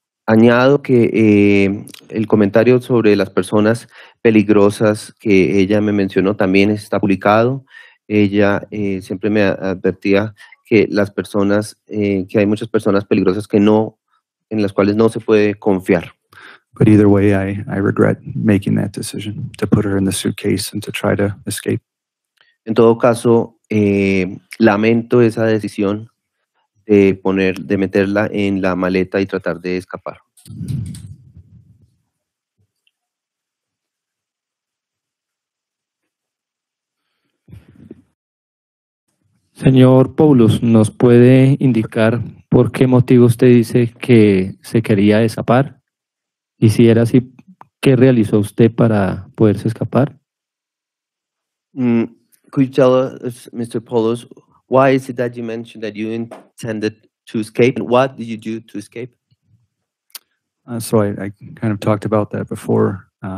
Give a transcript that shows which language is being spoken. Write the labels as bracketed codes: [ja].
[es] Añado que el comentario sobre las personas peligrosas que ella me mencionó también está publicado. Ella siempre me advertía que las personas, que hay muchas personas peligrosas que no, en las cuales no se puede confiar. [en] But either way, I regret making that decision to put her in the suitcase and to try to escape. [es] En todo caso, lamento esa decisión de meterla en la maleta y tratar de escapar. Señor Poulos, ¿nos puede indicar por qué motivo usted dice que se quería escapar? Y si era así, ¿qué realizó usted para poderse escapar? [en] Could you tell us, Mr. Poulos, why is it that you mentioned that you intended to escape? And what did you do to escape? So I kind of talked about that before.